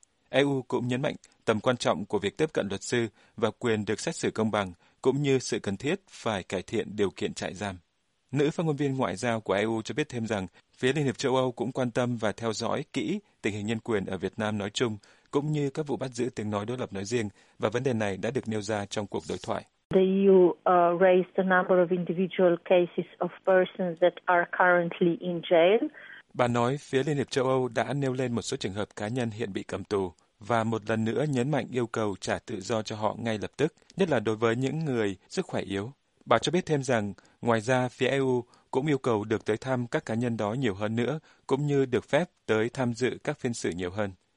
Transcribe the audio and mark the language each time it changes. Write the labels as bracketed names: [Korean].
[Vietnamese] EU cũng nhấn mạnh tầm quan trọng của việc tiếp cận luật sư và quyền được xét xử công bằng, cũng như sự cần thiết phải cải thiện điều kiện trại giam. Nữ phát ngôn viên ngoại giao của EU cho biết thêm rằng phía Liên hiệp châu Âu cũng quan tâm và theo dõi kỹ tình hình nhân quyền ở Việt Nam nói chung, cũng như các vụ bắt giữ tiếng nói đối lập nói riêng, và vấn đề này đã được nêu ra trong cuộc đối thoại. [English] The EU raised a number of individual cases of persons that are currently in jail. [Vietnamese] Bà nói phía Liên hiệp châu Âu đã nêu lên một số trường hợp cá nhân hiện bị cầm tù và một lần nữa nhấn mạnh yêu cầu trả tự do cho họ ngay lập tức, nhất là đối với những người sức khỏe yếu. Bà cho biết thêm rằng, ngoài ra phía EU cũng yêu cầu được tới thăm các cá nhân đó nhiều hơn nữa, cũng như được phép tới tham dự các phiên xử nhiều hơn.